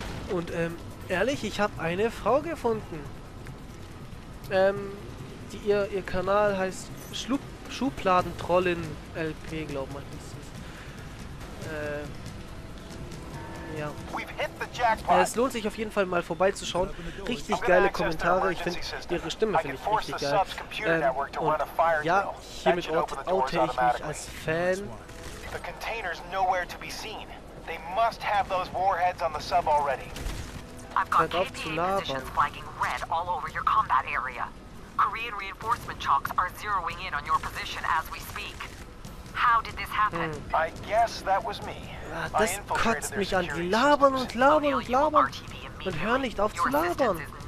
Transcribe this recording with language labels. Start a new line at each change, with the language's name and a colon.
German: Und ehrlich, ich habe eine Frau gefunden. Die ihr Kanal heißt Schubladentrollin LP, glaube ich. Ja. Es lohnt sich auf jeden Fall mal vorbeizuschauen. Richtig geile Kommentare. Ich finde ihre Stimme finde ich richtig geil. Und ja, hiermit oute ich mich als Fan.
English: The container's nowhere to be seen. They must have those warheads on the sub already. I've got KDA positions flagging red all over your combat area. Korean reinforcement chocks are zeroing in on your position as we speak. How did this happen? I guess that was me.
German: Das kotzt mich an. Die labern und labern und labern und hören nicht auf zu labern.